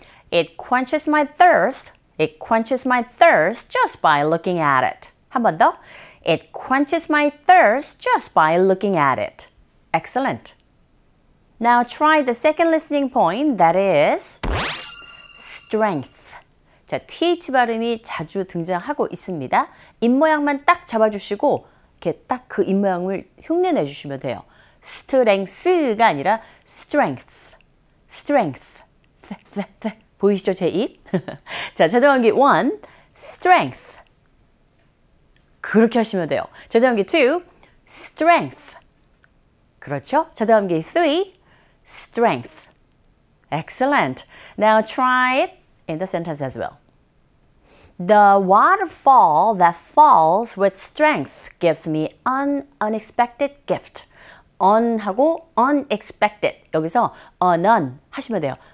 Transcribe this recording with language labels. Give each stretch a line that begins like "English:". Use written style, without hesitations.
English: It quenches my thirst. It quenches my thirst just by looking at it.
Korean: 한 번 더.
English: It quenches my thirst just by looking at it. Excellent. Now try the second listening point, that is strength.
Korean: 자, TH 발음이 자주 등장하고 있습니다. 입모양만 딱 잡아주시고 이렇게 딱 그 입모양을 흉내 내주시면 돼요. Strength가 아니라 strength, strength, th, th, th. 보이시죠 제 입? 자, 자동기 1, strength. 그렇게 하시면 돼요. 자동기 2, strength. 그렇죠? 자동기 3, strength.
English: Excellent. Now try it in the sentence as well. The waterfall that falls with strength gives me an unexpected gift.
Korean: On 하고 unexpected. 여기서 an 하시면 돼요.